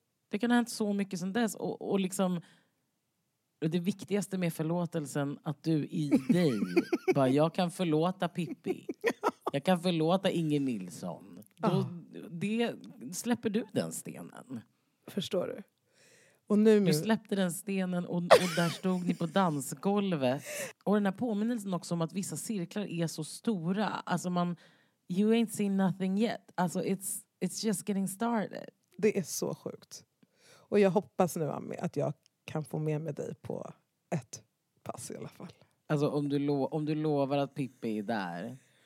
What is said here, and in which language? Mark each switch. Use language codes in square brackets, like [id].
[sv] Det kan ha hänt så mycket sen dess. Och liksom, det viktigaste med förlåtelsen att du i dig bara, jag kan förlåta Pippi. Jag kan förlåta Inger Nilsson. Då, det, släpper du den stenen? Förstår du? Och nu du släppte den stenen och där stod ni på dansgolvet. Och den här påminnelsen också om att vissa cirklar är så stora. Alltså man, [en] you ain't seen nothing yet. Alltså it's just getting started. [sv] Det är så sjukt. Och jag hoppas nu Ami, att jag kan få med mig dig på ett pass i alla fall. Alltså om du lovar att Pippi är där.